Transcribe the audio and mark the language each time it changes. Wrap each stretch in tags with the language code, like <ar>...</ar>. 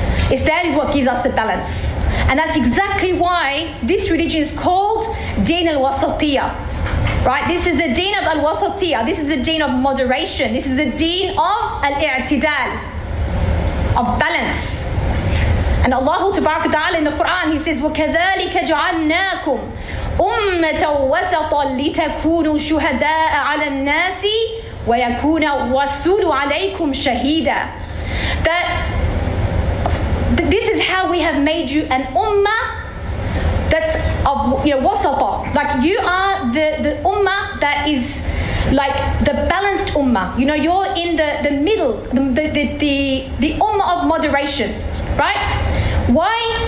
<en>Islam is what gives us the balance. And that's exactly why this religion is called Deen al-Wasatiyah, right? This is the Deen of al-Wasatiyah. This is the Deen of moderation. This is the Deen of al-I'tidal, of balance. And Allah Tabaraka Ta'ala in the Quran, He says,</en> <ar>وَكَذَلِكَ جَعَلْنَاكُمْ أُمَّةً وَسَطًا لِتَكُونُوا شُهَدَاءَ عَلَى النَّاسِ وَيَكُونَ وَسُولُ عَلَيْكُمْ شَهِيدًا.</ar> <en>That this is how we have made you an ummah that's of, you know, wasata. Like, you are the ummah that is like the balanced ummah. You know, you're in the middle, the ummah of moderation, right? Why?</en>